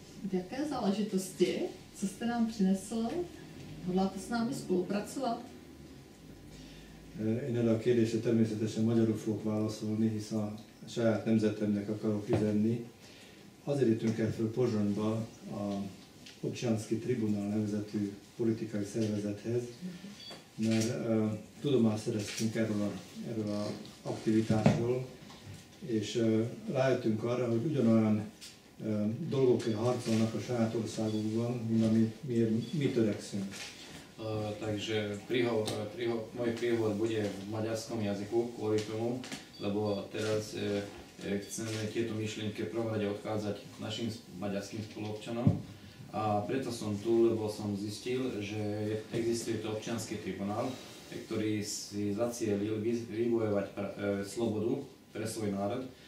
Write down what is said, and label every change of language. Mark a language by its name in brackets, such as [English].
[Czech] V jaké záležitosti, co jste nám přinesl, hodláte s námi spolupracovat? [Hungarian] Én a kérdése természetesen magyarul fogok válaszolni, hiszen a saját nemzetemnek akarok üzenni. Azért jöttünk el föl Pozsonyba a Obcsánszki Tribunál nevezetű politikai szervezethez, mert tudomást szereztünk erről a aktivitásról, és rájöttünk arra, hogy ugyanolyan dolgokért harcolnak a saját országunkban, mint amiért mi törekszünk. [Slovak] Takže môj príhovor bude v maďarskom jazyku kvôli tomu, lebo teraz chceme tieto myšlienky prvorade odkázať našim maďarským spoluobčanom. A preto som tu, lebo som zistil, že existuje to občiansky tribunál, ktorý si zacielil vybojovať slobodu pre svoj národ.